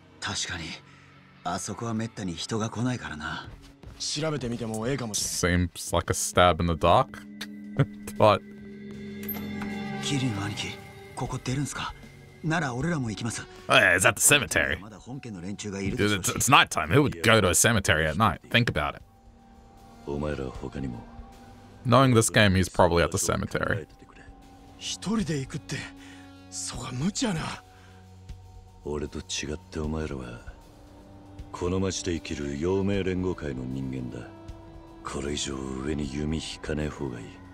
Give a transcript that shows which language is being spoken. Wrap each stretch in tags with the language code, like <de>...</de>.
<ja>確かに、あそこは滅多に人が来ないからな。調べてみてもええかもしれん。</ja> <en>Seems like a stab in the dark. But...</en> <ja>キリの兄貴、ここ出るんすか？なら俺らも行きます。</ja> <en>Hey, is that the cemetery?</en> <ja>まだ本家の連中がいるでしょうし。</ja> <en>Dude, it's night time. Who would go to a cemetery at night? Think about it.</en> <ja>お前ら他にも。</ja> <en>Knowing this game, he's probably at the cemetery.</en> <ja>一人で行くって、そが無茶な。俺と違ってお前らはこの町で生きる陽明連合会の人間だ。これ以上上に弓引かねえ方がいい。</ja>